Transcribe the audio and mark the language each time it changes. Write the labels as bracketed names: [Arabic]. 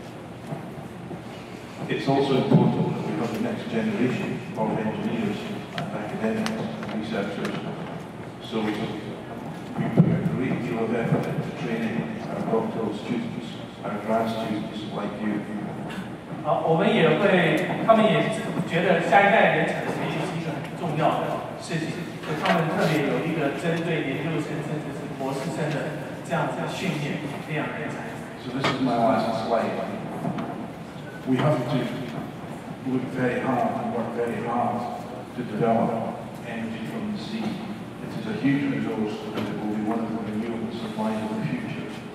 [English] also important that we have the next generation of engineers and academics and researchers. So we can deal of effort into training our doctoral students, our grad students like you. [Chinese] 好，我们也会，他们也觉得下一代人才是一个很重要的事情，所以他们特别有一个针对研究生甚至是博士生的这样子训练培养人才。 [English] So this is my last slide. We have to look very hard and work very hard to develop energy from the sea. It is a huge resource that will be one of the renewable supplies of the future.